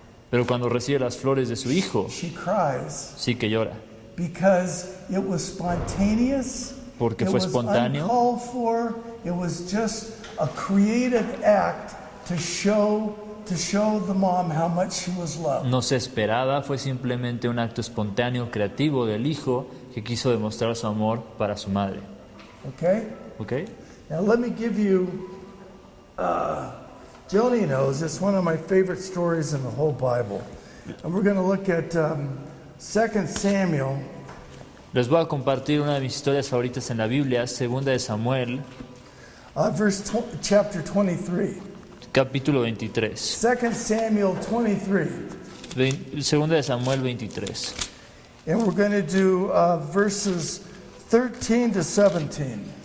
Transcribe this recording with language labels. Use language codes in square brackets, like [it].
[es] Pero cuando recibe las flores de su hijo, sí que llora. [en] Because it was spontaneous, [es] porque [en] it [es] fue espontáneo. [en] Was uncalled for, it was just a creative act to show the mom how much she was loved. [es] No se esperaba, fue simplemente un acto espontáneo, creativo del hijo que quiso demostrar su amor para su madre. [en] Okay. Okay. Now let me give you. Joni knows it's one of my favorite stories in the whole Bible, and we're going to look at. Second Samuel. [es] Les voy a compartir una de mis historias favoritas en la Biblia, Segunda de Samuel. [en] Chapter 23. [es] Capítulo 23. [en] Second Samuel 23. [es] Segunda de Samuel 23. [en] And we're going to do verses 13 to 17.